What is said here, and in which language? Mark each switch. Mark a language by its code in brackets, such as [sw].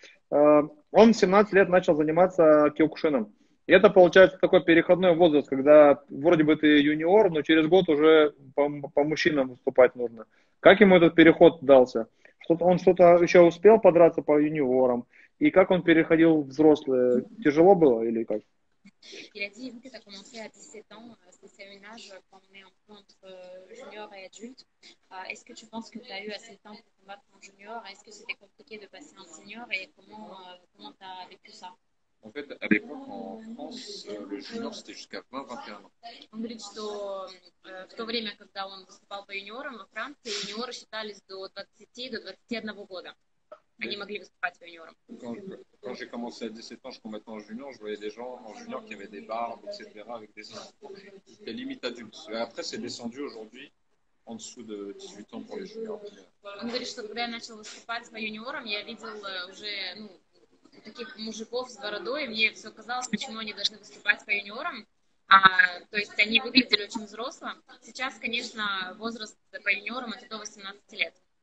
[ru] Он в 17 лет начал заниматься киокушином. И это получается такой переходной возраст, когда вроде бы ты юниор, но через год уже по мужчинам выступать нужно. Как ему этот переход дался? Он что-то еще успел подраться по юниорам? И как он переходил в взрослые? Тяжело было или как? [fr] Il a dit, vu que tu as commencé à 17 ans, c'est le même âge qu'on met en compte junior et adulte. Est-ce que tu penses que tu as eu assez de temps pour combattre en junior? Est-ce que c'était compliqué de passer en senior? Et comment tu as vécu ça? En fait, à l'époque, en France, le junior, c'était jusqu'à 20-21 ans. [ru] Он говорит, что в то время, когда он выступал по юниорам, во Франции юниоры считались до 20-21 года. Они могли выступать в юниорам. [fr] Quand j'ai commencé à 17 ans, je combattais en junior, je voyais des gens en junior qui avaient des barbes, etc., avec des limites adultes. Et après, c'est descendu aujourd'hui en dessous de 18 ans pour les juniors. [ru] Он говорит, что когда я начал выступать по юниорам, я видел уже таких мужиков с бородой, и мне все казалось, почему они должны выступать по юниорам. То есть они выглядели очень взросло. Сейчас, конечно, возраст по юниорам это до 18 лет.